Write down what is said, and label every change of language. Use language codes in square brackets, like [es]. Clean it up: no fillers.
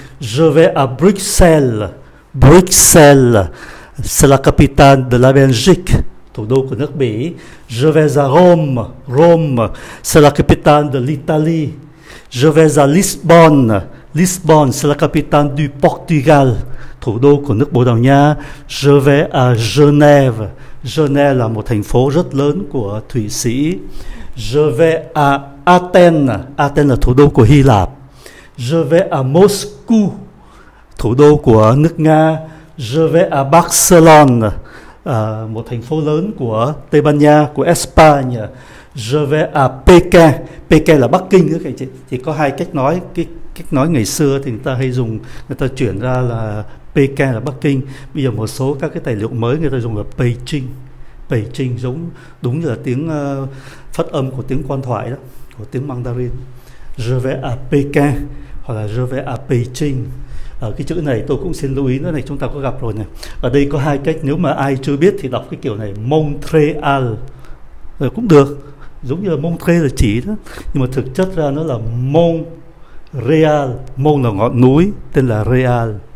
[fr] Je vais à Bruxelles. Bruxelles, c'est la capitale de la Belgique. [vi] Thủ đô của nước Bỉ. [fr] Je vais à Rome. Rome, c'est la capitale de l'Italie. Je vais à Lisbonne. Lisbonne, c'est la capitale du Portugal. [vi] Thủ đô của nước Bồ Đào Nha. [fr] Je vais à Genève. [vi] Genève là một thành phố rất lớn của Thụy Sĩ. [fr] Je vais à Athènes. [vi] Athènes là thủ đô của Hy Lạp. [fr] Je vais à Moscou. [vi] Thủ đô của nước Nga. [fr] Je vais à Barcelone. [vi] Một thành phố lớn của Tây Ban Nha, của Espagne. [fr] Je vais à Pékin. [vi] Pékin là Bắc Kinh nữa, chỉ có hai cách nói. Cách nói ngày xưa thì người ta hay dùng, người ta chuyển ra là Pékin là Bắc Kinh. Bây giờ một số các cái tài liệu mới người ta dùng là Beijing. Beijing giống đúng như là tiếng phát âm của tiếng quan thoại đó, của tiếng Mandarin. [fr] Je vais à Pékin [vi] hoặc là [fr] je vais à Beijing. [vi] Cái chữ này tôi cũng xin lưu ý nữa này, chúng ta có gặp rồi này. Ở đây có hai cách, nếu mà ai chưa biết thì đọc cái kiểu này Montreal. cũng được, giống như là môn thuê là chỉ đó, nhưng mà thực chất ra nó là môn real, môn là ngọn núi, tên là real.